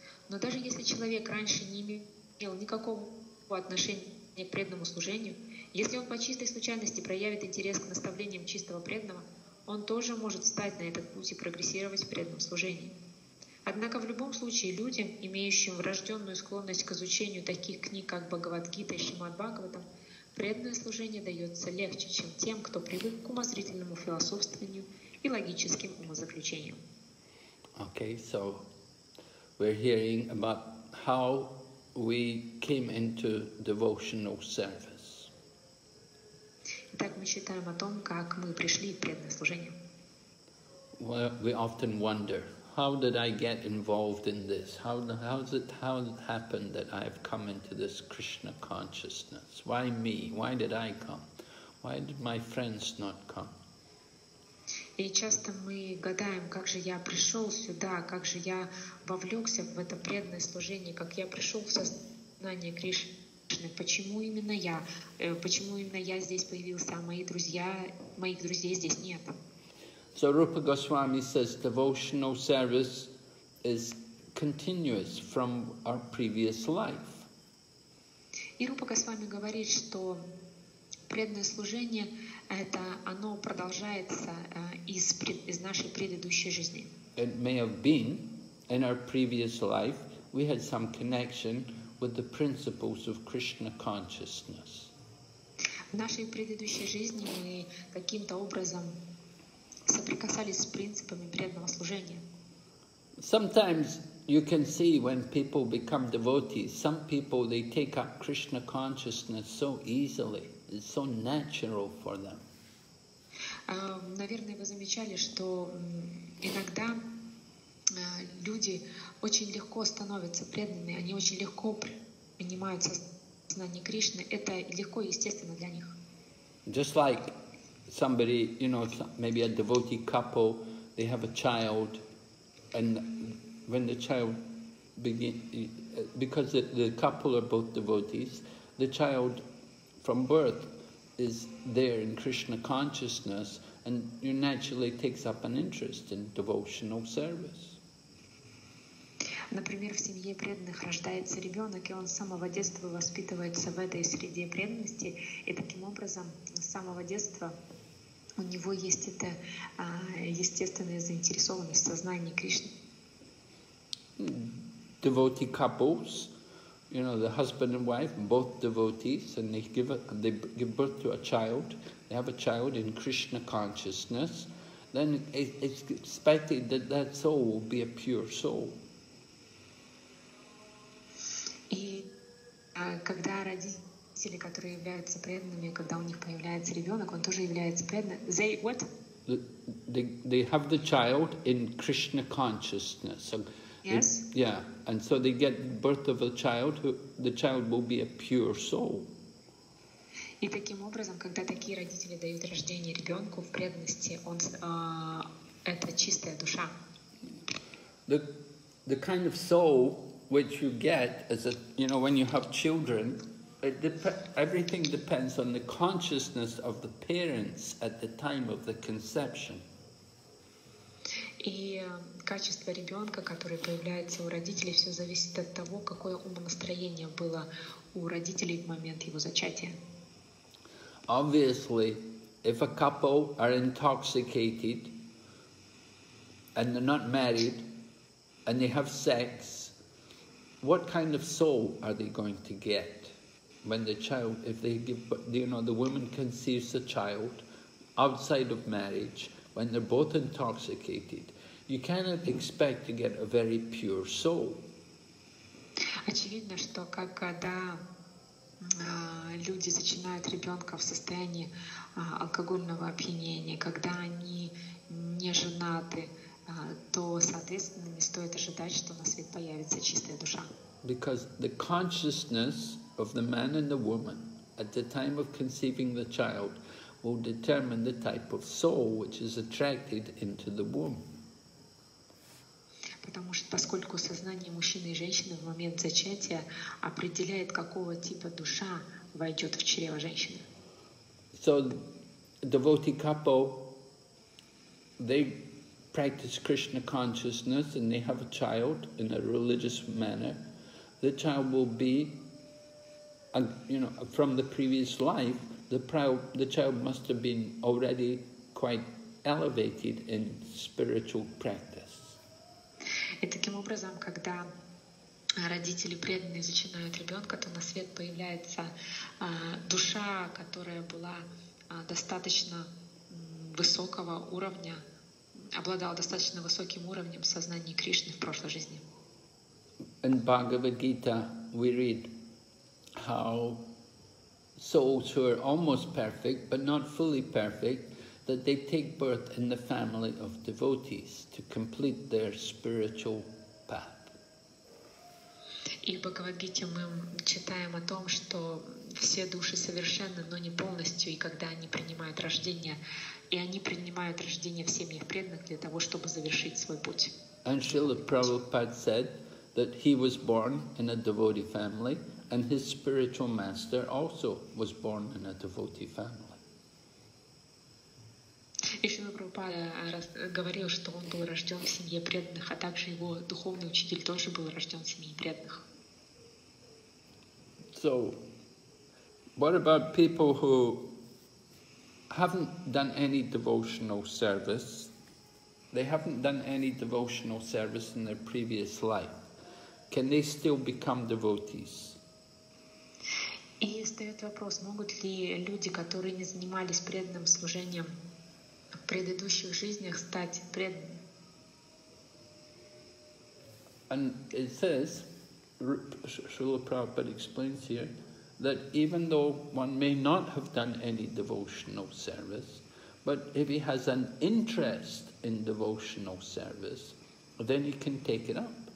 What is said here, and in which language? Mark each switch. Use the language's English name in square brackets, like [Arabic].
[Russian] Но даже если человек раньше не имел никакого отношения к преданному служению, если он по чистой случайности проявит интерес к наставлениям чистого преданного, он тоже может встать на этот путь и прогрессировать в преданном служении. Однако в любом случае людям, имеющим врожденную склонность к изучению таких книг, как Бхагавад-гита и Шримад-Бхагаватам, преданное служение дается легче, чем тем, кто привык к умозрительному философствованию и логическим умозаключениям. [English] Okay, so we're hearing about how we came into devotional service. [Russian] Итак, мы читаем о том, как мы пришли в преданное служение. [English] Well, we often wonder, how did I get involved in this? How did it happen that I've come into this Krishna consciousness? Why me? Why did I come? Why did my friends not come? [Russian] И часто мы гадаем, как же я пришел сюда, как же я вовлекся в это преданное служение, как я пришел в сознание Кришны, почему именно я? Почему именно я здесь появился, а мои друзья, моих друзей здесь нет? [English] So Rupa Goswami says devotional service is continuous from our previous life. [Russian] И Рупа Госвами говорит, что преданное служение это оно продолжается из нашей предыдущей жизни. [English] It may have been in our previous life we had some connection with the principles of Krishna consciousness. [Russian] В нашей предыдущей жизни мы каким-то образом соприкасались с принципами преданного служения. [English] Sometimes you can see when people become devotees, some people they take up Krishna consciousness so easily, it's so natural for them. [Russian] Наверное, вы замечали, что иногда люди очень легко становятся преданными, они очень легко принимают сознание Кришны, это легко и естественно для них. [English] Just like somebody, you know, maybe a devotee couple, they have a child, and when the child begins, because the couple are both devotees, the child from birth is there in Krishna consciousness, and you naturally takes up an interest in devotional service. [Russian] Например, в семье преданных рождается ребенок, и он с самого детства воспитывается в этой среде преданности, и таким образом с самого детства у него есть эта естественная заинтересованность в сознании Кришны. [English] Devotee couples, you know, the husband and wife, both devotees, and they give birth to a child, they have a child in Krishna consciousness, then it's expected that that soul will be a pure soul. [Russian] И когда родители, которые являются преданными, когда у них появляется ребенок, он тоже является преданным. [English] They what? They have the child in Krishna consciousness. So yes. Yeah, and so they get birth of a child. The child will be a pure soul. [Russian] И таким образом, когда такие родители дают рождение ребенку в преданности, он это чистая душа. [English] The kind of soul which you get as a, you know, when you have children. Everything depends on the consciousness of the parents at the time of the conception. [Russian] И качество ребенка, которое появляется у родителей, все зависит от того, какое умонастроение было у родителей в момент его зачатия. [English] Obviously, if a couple are intoxicated and they're not married and they have sex, what kind of soul are they going to get when the child, if they give, you know, the woman conceives a child outside of marriage when they're both intoxicated? You cannot expect to get a very pure soul. [Russian] Очевидно, что когда люди зачинают ребенка в состоянии алкогольного опьянения, когда они не женаты, то, соответственно, не стоит ожидать, что на свет появится чистая душа. [English] Because the consciousness of the man and the woman at the time of conceiving the child will determine the type of soul which is attracted into the womb. [Russian] Потому что поскольку сознание мужчины и женщины в момент зачатия определяет, какого типа душа войдет в чрево женщины. [English] So devotee couple, they practice Krishna consciousness and they have a child in a religious manner. The child will be, you know, from the previous life, the child must have been already quite elevated in spiritual practice. [Russian] И таким образом, когда родители преданные зачинают ребенка, то на свет появляется душа, которая была достаточно высокого уровня, обладала достаточно высоким уровнем сознания Кришны в прошлой жизни. [English] In Bhagavad Gita, we read how souls who are almost perfect, but not fully perfect, that they take birth in the family of devotees to complete their spiritual path. [Russian] И в Бхагавад-гите мы читаем о том, что все души совершенны, но не полностью, и когда они принимают рождение, и они принимают рождение в семьях преданных для того, чтобы завершить свой путь. [English] And Srila Prabhupada said that he was born in a devotee family, and his spiritual master also was born in a devotee family. [Russian] И Шрила Прабхупада говорил, что он был рожден в семье преданных, а также его духовный учитель тоже был рожден в семье преданных. [English] So, what about people who haven't done any devotional service? They haven't done any devotional service in their previous life. Can they still become devotees? [Russian] И стоит вопрос, могут ли люди, которые не занимались преданным служением в предыдущих жизнях, стать преданными? [English] And it says, Srila Prabhupada explains here, that even though one may not have done any devotional service, but if he has an interest in devotional service, then he can take it up.